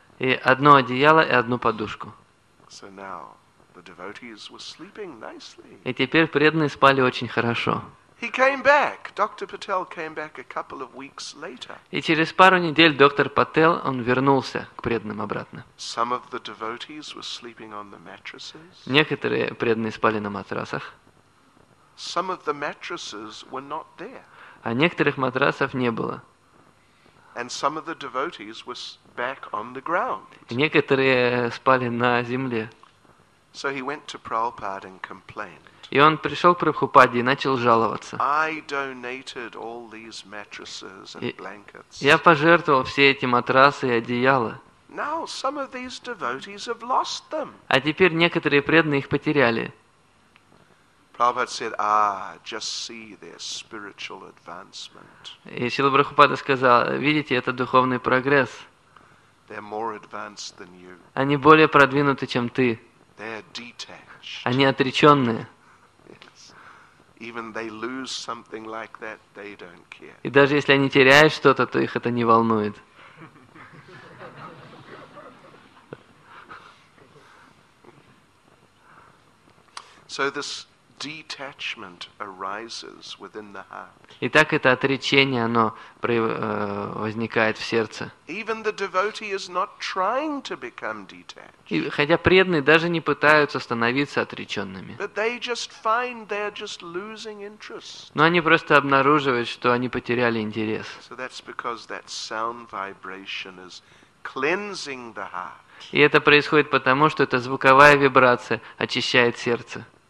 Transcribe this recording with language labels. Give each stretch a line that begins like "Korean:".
Russian: И одно одеяло и одну подушку.
English: So now the devotees were sleeping nicely.
Russian: И теперь преданные спали очень хорошо.
English: He came back. Dr. Patel came back a couple of weeks later.
Russian: И через пару недель доктор Пател, он вернулся к преданным обратно.
English: Some of the devotees were sleeping on the mattresses.
Russian: Некоторые преданные спали на матрасах.
English: Some of the mattresses were not there.
Russian: А некоторых матрасов не было.
English: And some of the devotees were back on the ground.
Russian: И некоторые спали на земле.
English: So he went to Prabhupada and complained.
Russian: И он пришел к Прабхупаде и начал жаловаться.
English: I donated all these mattresses and blankets.
Russian: Я пожертвовал все эти матрасы и одеяла.
English: Now some of these devotees have lost them.
Russian: А теперь некоторые преданные их потеряли.
English: Prabhupada said, "Ah, just see their spiritual advancement."
Russian: И Шрила Прабхупада сказал: "Видите, это духовный прогресс.
English: They're more advanced than you.
Russian: Они более продвинуты, чем ты.
English: They're detached.
Russian: Они отреченные.
English: Even they lose something like that, they don't care.
Russian: И даже если они теряют что-то, то их это не волнует.
English: So this detachment arises within the heart.
Russian: Итак, это отречение, оно возникает в сердце.
English: Even the devotee is not trying to become detached.
Russian: И хотя преданные даже не пытаются становиться отреченными.
English: But they just find they are just losing interest.
Russian: Но они просто обнаруживают, что они потеряли интерес.
English: So that's because that sound vibration is cleansing the heart.
Russian: И это происходит потому, что эта звуковая вибрация очищает сердце.